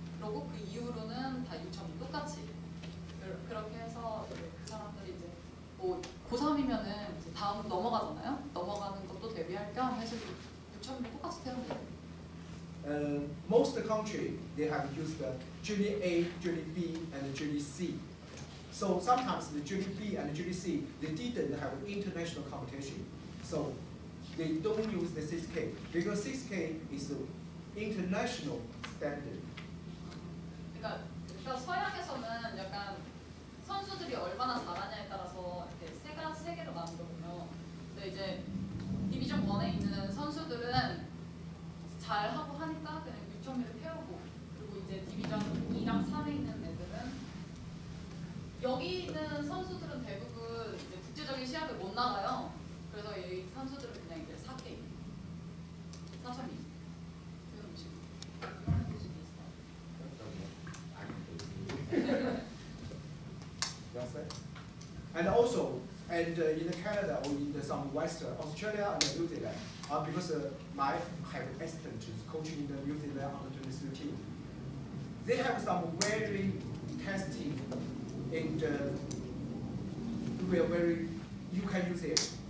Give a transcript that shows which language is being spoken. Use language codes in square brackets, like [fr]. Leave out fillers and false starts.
[ko] 그리고 그 이후로는 다 6,000미 똑같이. 그렇게 해서 그 사람들이 이제 뭐 고3이면은 이제 다음 넘어가잖아요. 넘어가는 것도 대비할 겸 해서 6,000미 똑같이 태우면 돼요. [en] Most country they have used the Junior A, Junior B, and Junior C. So sometimes the Junior B and Junior C they didn't have international competition, so they don't use the 6K because 6K is the international standard. [ko] 그러니까 서양에서는 약간 선수들이 얼마나 잘하냐에 따라서 이렇게 세 개로 나누거든요. 근데 이제 디비전 1에 있는 선수들은 잘하고 하니까 그냥 6,000미를 태우고 그리고 이제 디비전 2랑 3에 있는 애들은 여기 있는 선수들은 대부분 이제 국제적인 시합에 못 나가요. 그래서 이 선수들은 그냥 이제 4K 4,000미 태우는 식으로. [en] And also, and in Canada or in the, some Western Australia and New Zealand, because my have assistant is coaching in the New Zealand under 23 team, they have some very testing and very you can use it.